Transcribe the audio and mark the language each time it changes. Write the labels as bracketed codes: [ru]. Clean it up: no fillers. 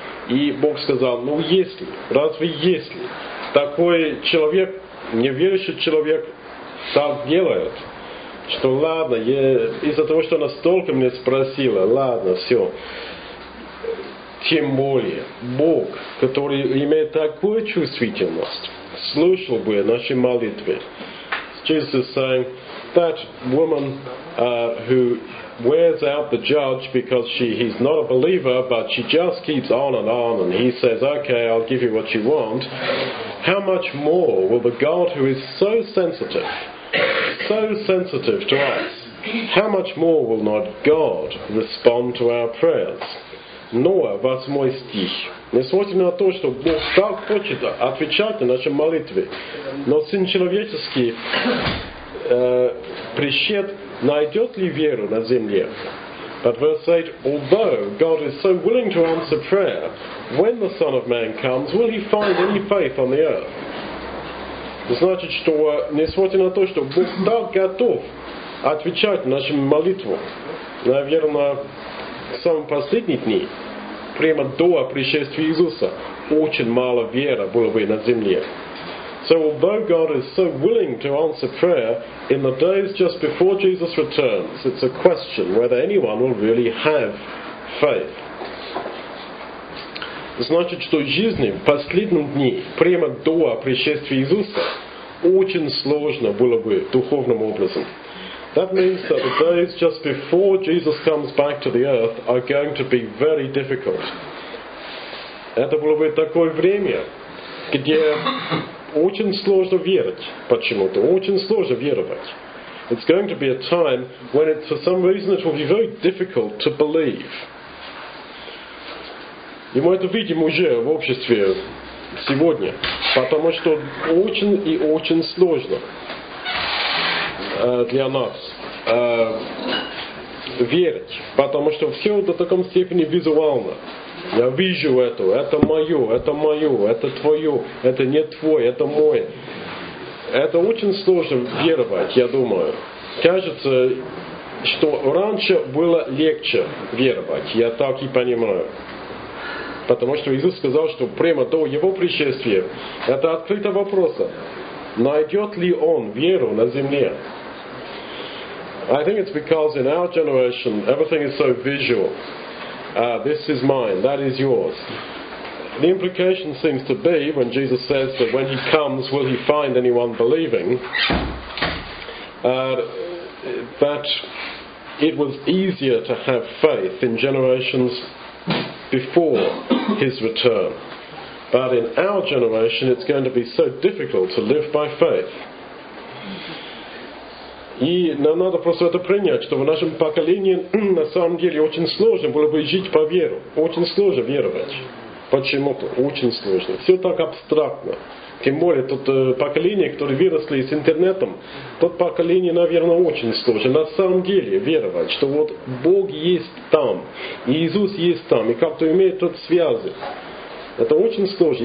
[ru] И Бог сказал, ну если, разве если такой человек, неверующий человек, так делает, что ладно, я, из-за того, что она столько мне спросила, ладно, все. Тем более, Бог, который имеет такую чувствительность, слышал бы наши молитвы. [en] Jesus is saying, that woman who wears out the judge because he's not a believer, but she just keeps on, and he says, okay, I'll give you what you want. How much more will the God who is so sensitive to us, how much more will not God respond to our prayers? [ru] Ноа, 8 стих. Несмотря на то, что Бог так хочет отвечать на наши молитвы, но Сын Человеческий пришед, найдет ли веру на земле? [en] But verse 8, although God is so willing to answer prayer, when the Son of Man comes, will he find any faith on the earth? [ru] Значит, что несмотря на то, что Бог так готов отвечать на наши молитвы, наверное, в самые последние дни, прямо до пришествия Иисуса, очень мало веры было бы на земле. [en] So although God is so willing to answer prayer, in the days just before Jesus returns, it's a question whether anyone will really have faith. [ru] Значит, что жизни в последние дни, прямо до пришествия Иисуса, очень сложно было бы духовным образом. [en] That means that the days just before Jesus comes back to the earth are going to be very difficult. [ru] Это было бы такое время, где очень сложно верить почему-то, очень сложно веровать. [en] It's going to be a time when it, for some reason it will be very difficult to believe. [ru] И мы это видим уже в обществе сегодня, потому что очень и очень сложно для нас верить, потому что все до такой степени визуально. Я вижу это мое, это твое, это не твое, это мое. Это очень сложно веровать, я думаю. Кажется, что раньше было легче веровать, я так и понимаю. Потому что Иисус сказал, что прямо до его пришествия, это открытый вопрос, найдет ли он веру на земле? [en] I think it's because in our generation everything is so visual. This is mine, that is yours. The implication seems to be when Jesus says that when he comes will he find anyone believing, that it was easier to have faith in generations before his return. But in our generation it's going to be so difficult to live by faith. [ru] И нам надо просто это принять, что в нашем поколении на самом деле очень сложно было бы жить по веру. Очень сложно веровать. Почему-то очень сложно. Все так абстрактно. Тем более, тот поколение, которое выросло с интернетом, тот поколение, наверное, очень сложно на самом деле веровать, что вот Бог есть там, и Иисус есть там, и как-то имеет тот связи. Это очень сложно.